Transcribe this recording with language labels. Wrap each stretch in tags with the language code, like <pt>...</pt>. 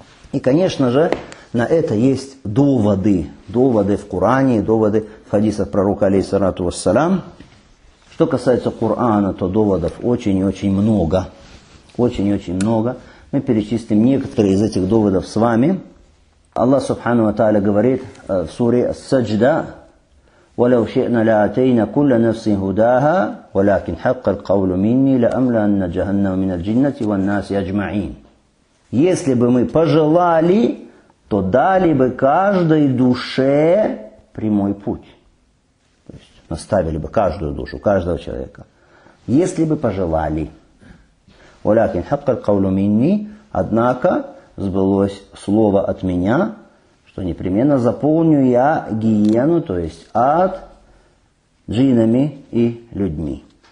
<ru>И, конечно же, на это есть доводы. Доводы в Коране, доводы в хадисах пророка, алейхиссалату вассалям. Что касается Корана, то доводов очень и очень много. Очень и очень много. Мы перечислим некоторые из этих доводов с вами. Аллах Субхану ва Тааля говорит в суре Саджда,</ru> <ar>ولو شئنا لأتينا كل نفس هداها ولكن حق القول مني لأملأن جهنم من الجنة والناس أجمعين.</ar> <ru>Если бы мы пожелали, то дали бы каждой душе прямой путь. То есть наставили бы каждую душу, каждого человека. Если бы пожелали.</ru> <ar>ولكن حق القول مني.</ar> <ru>Однако сбылось слово от меня, что непременно заполню я гиену, то есть ад, джиннами и людьми.</ru>